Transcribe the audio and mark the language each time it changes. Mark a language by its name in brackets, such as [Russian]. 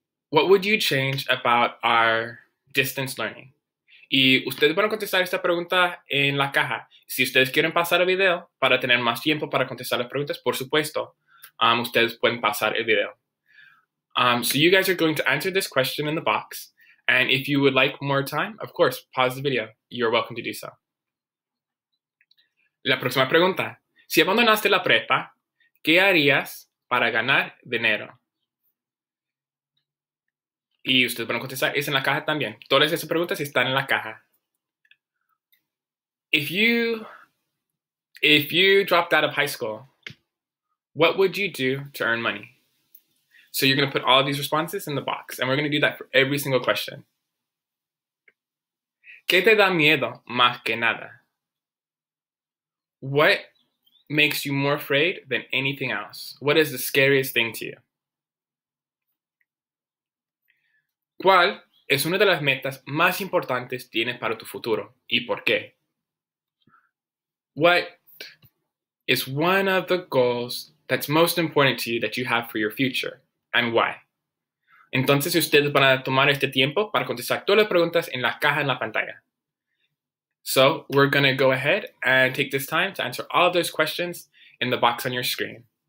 [English] What would you change about our distance learning? [Spanish] Y ustedes van a contestar esta pregunta en la caja. Si ustedes quieren pasar el video para tener más tiempo para contestar las preguntas, por supuesto, ustedes pueden pasar el video. [English] So you guys are going to answer this question in the box. And if you would like more time, of course, pause the video. You're welcome to do so. [Spanish] La próxima pregunta. Si abandonaste la prepa, ¿qué harías para ganar dinero? Y ustedes van a contestar, es en la caja también. Todas esas preguntas están en la caja. [English] If you dropped out of high school, what would you do to earn money? So you're going to put all of these responses in the box. And we're going to do that for every single question. [Spanish] ¿Qué te da miedo más que nada? [English] What makes you more afraid than anything else? What is the scariest thing to you? [Spanish] ¿Cuál es una de las metas más importantes tienes para tu futuro y por qué? [English] What is one of the goals that's most important to you that you have for your future, and why? [Spanish] Entonces, ustedes van a tomar este tiempo para contestar todas las preguntas en la caja en la pantalla. [English] So, we're going to go ahead and take this time to answer all those questions in the box on your screen.